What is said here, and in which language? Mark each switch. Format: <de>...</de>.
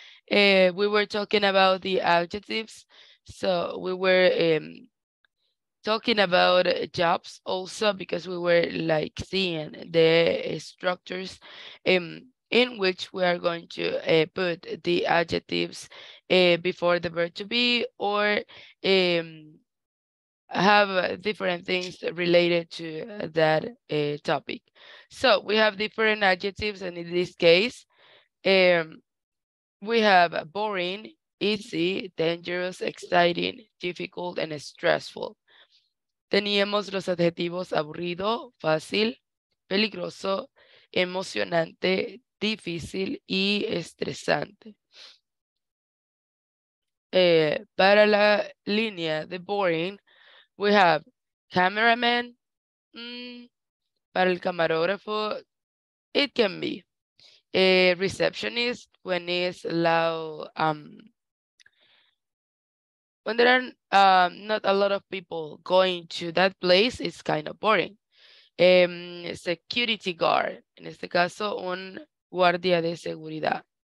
<en>We were talking about the adjectives. So we were talking about jobs also, because we were like seeing the structures in which we are going to put the adjectives before the verb to be, or have different things related to that topic. So we have different adjectives, and in this case, we have boring, easy, dangerous, exciting, difficult, and stressful.</en> <es>Teníamos los adjetivos aburrido, fácil, peligroso, emocionante, difícil y estresante. Para la línea de boring,</es> <en>we have cameraman.</en> <es>Para el camarógrafo,</es> <en>it can be. Receptionist, when it's loud, when there are not a lot of people going to that place, it's kind of boring.</en> <es>Security guard, en este caso, un guardia de seguridad.</es>